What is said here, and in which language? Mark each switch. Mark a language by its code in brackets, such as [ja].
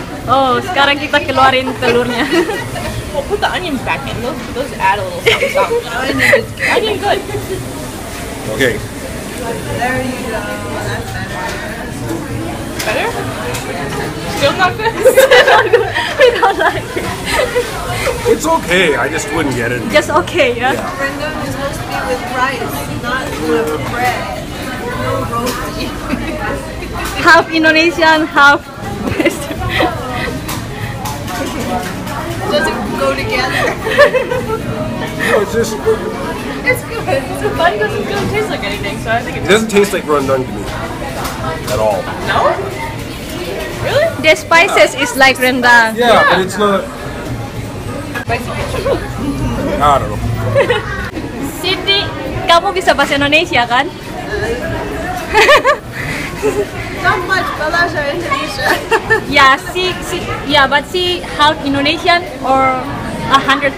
[id] Oh, sekarang kita keluarin telurnya. [en] We'll put the onions back in. Those add a little something. Onion good. Okay. There you go. Still not good? I don't like it. It's okay, I just wouldn't get it. Just okay, yeah? Rendang is supposed to be with rice, not with bread. No roti. Half Indonesian, half Western. Does it go together? No, it's just... It's good. But it doesn't taste like anything, so I think it doesn't taste like rendang to me. At all. No? The spices is like rendang. Yeah, but it's not. Spicy. I don't know. [id] Cindy, kamu bisa bahasa Indonesia kan? [en] Not much, bahasa Indonesia. Yeah, see, yeah, but see, half Indonesian or 100%